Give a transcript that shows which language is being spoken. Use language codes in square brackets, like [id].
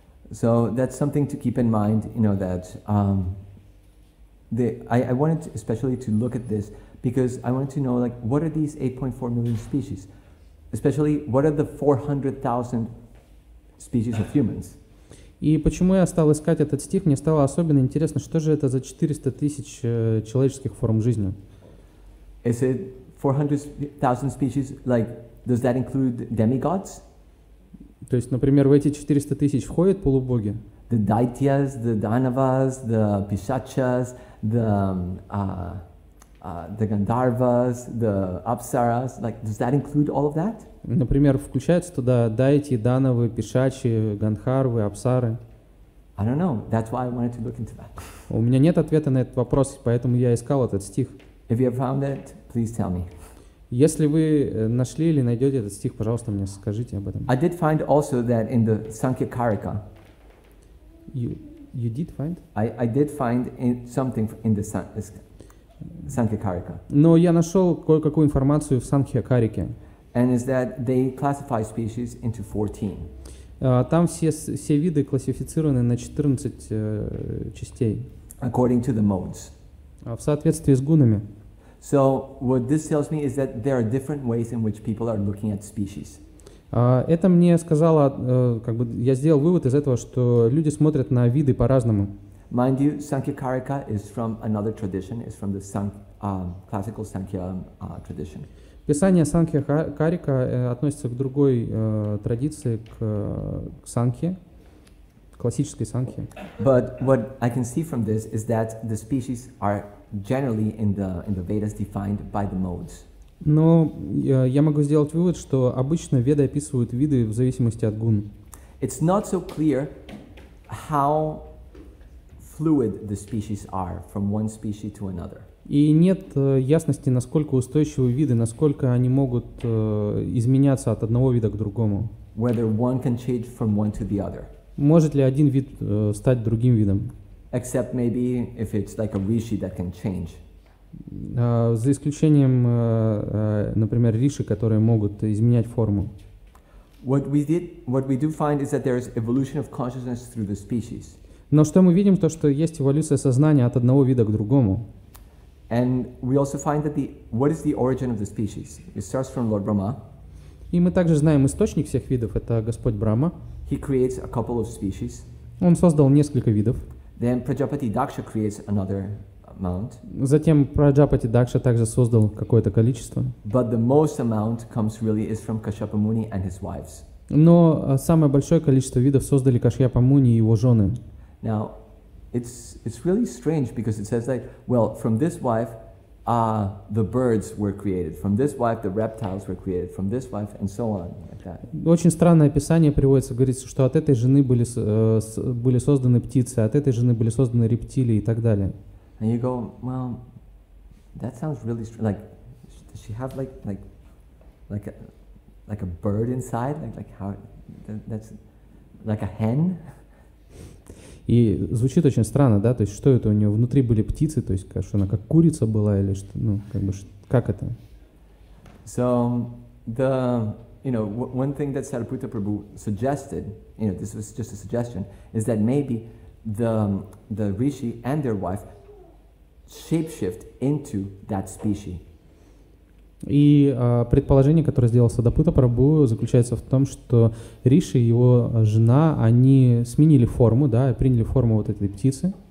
[en] So that's something to keep in mind, you know, that I wanted especially to look at this because I wanted to know, like, what are these 8.4 million species? Especially, what are the 400,000 species of humans? [ru] И почему я стал искать этот стих, мне стало особенно интересно, что же это за 400 тысяч человеческих форм жизни? [en] Is it 400,000 species, like, does that include demigods? [ru] То есть, например, в эти 400 тысяч входят полубоги? [en] The daityas, the danavas, the pishachas, the gandharvas, the apsaras, like, does that include all of that? [ru] Например, включаются туда дайти, данавы, пишачи, гандхарвы, апсары? [en] I don't know. That's why I wanted to look into that. [ru] У меня нет ответа на этот вопрос, поэтому я искал этот стих. [en] If you have found it, please tell me. [ru] Если вы нашли или найдете этот стих, пожалуйста, мне скажите об этом. [en] I did find also that in the Sankhya Karika. You did find? I did find something in the Sankhya Karika. [ru] Но я нашел кое-какую информацию в Sankhya Karike. [en] And is that they classify species into 14. [ru] Там все виды классифицированы на 14 частей. [en] According to the modes. [ru] В соответствии с гунами. [en] So what this tells me is that there are different ways in which people are looking at species. [ru] Это мне сказало, как бы я сделал вывод из этого, что люди смотрят на виды по-разному. [en] Mind you, Sankhya Karika is from another tradition. It's from the classical Sankhya tradition. [ru] Писание Sankhya Karika относится к другой традиции, к Sankhya, классической Sankhya. [en] But what I can see from this is that the species are generally in the Vedas defined by the modes. [ru] Но я могу сделать вывод, что обычно Веды описывают виды в зависимости от гун. [en] It's not so clear how fluid the species are from one species to another. [ru] И нет ясности, насколько устойчивы виды, насколько они могут изменяться от одного вида к другому. [en] Whether one can change from one to the other. [ru] Может ли один вид стать другим видом? [en] Except maybe if it's like a rishi that can change. [ru] За исключением, например, риши, которые могут изменять форму. [en] What we do find is that there is evolution of consciousness through the species. [ru] Но что мы видим, то, что есть эволюция сознания от одного вида к другому. [en] And we also find that what is the origin of the species? It starts from Lord Brahma. [ru] И мы также знаем источник всех видов, это Господь Брахма. [en] He creates a couple of species. [ru] Он создал несколько видов. [en] Then Prajapati Daksha creates another amount. [ru] Затем Prajapati Daksha также создал какое-то количество. [en] But the most amount comes really is from Kashyapa Muni and his wives. [ru] Но самое большое количество видов создали Кашьяпа Муни и его жены. [en] Now, it's really strange because it says like, well, from this wife, the birds were created. From this wife, the reptiles were created. From this wife, and so on, like that. [ru] Очень странное описание приводится, говорится, что от этой жены были созданы птицы, от этой жены были созданы рептилии и так далее. [en] And you go, well, that sounds really strange. Like, does she have like a bird inside? Like how? That's like a hen. [ru] И звучит очень странно, да, то есть что это у нее внутри были птицы, то есть что она как курица была или что, ну как бы как это? [en] So the, you know, one thing that Sariputta Prabhu suggested, you know, this was just a suggestion, is that maybe the rishi and their wife shapeshift into that species. [ru] И предположение, которое сделал Сарипутта Прабху, заключается в том, что Риши и его жена, они сменили форму, да, приняли форму вот этой птицы.